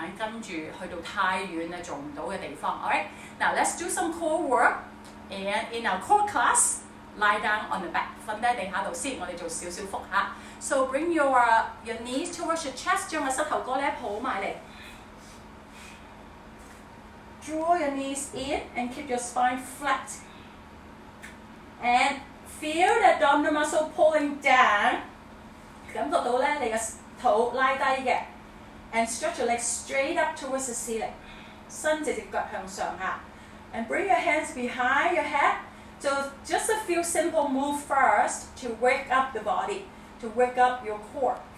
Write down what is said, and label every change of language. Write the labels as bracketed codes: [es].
[yue] 記得每一個動作是由基礎慢慢加深去到最難的位置。你去到哪個位置可以應付到就留在那裡，不要硬跟著去到太遠做不到的地方。 [en] Alright, now let's do some core work. And in our core class, lie down on the back. [yue] 瞓低地下度先，我哋做少少腹下。 [en] So bring your knees towards your chest, [yue] 將個膝頭哥咧抱埋嚟。 [en] Draw your knees in and keep your spine flat. And feel the abdominal muscle pulling down. [yue] 感覺到咧你個肚拉低嘅。 [en] And stretch your legs straight up towards the ceiling. [yue] 伸直只腳向上下。 [en] And bring your hands behind your head. So just a few simple moves first to wake up the body, to wake up your core.